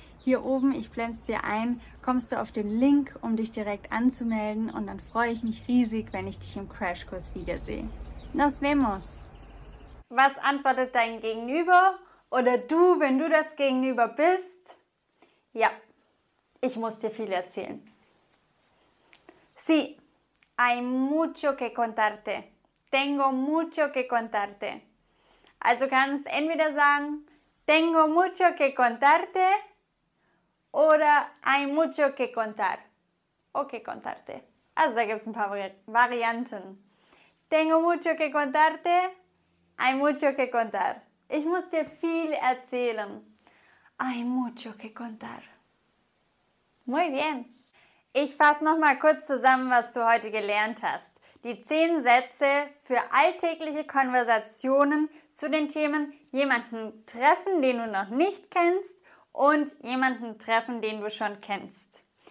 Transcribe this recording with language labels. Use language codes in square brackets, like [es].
[de] Hier oben, ich blende es dir ein, kommst du auf den Link, um dich direkt anzumelden und dann freue ich mich riesig, wenn ich dich im Crashkurs wiedersehe. [es] Nos vemos! [de] Was antwortet dein Gegenüber oder du, wenn du das Gegenüber bist? Ja, ich muss dir viel erzählen. [es] Sí, hay mucho que contarte. Tengo mucho que contarte. [de] Also kannst entweder sagen, [es] tengo mucho que contarte, [de] oder [es] hay mucho que contar. O que contarte. [de] Also da gibt es ein paar Varianten. [es] Tengo mucho que contarte. Hay mucho que contar. [de] Ich muss dir viel erzählen. [es] Hay mucho que contar. Muy bien. [de] Ich fasse nochmal kurz zusammen, was du heute gelernt hast. Die 10 Sätze für alltägliche Konversationen zu den Themen jemanden treffen, den du noch nicht kennst, und jemanden treffen, den du schon kennst.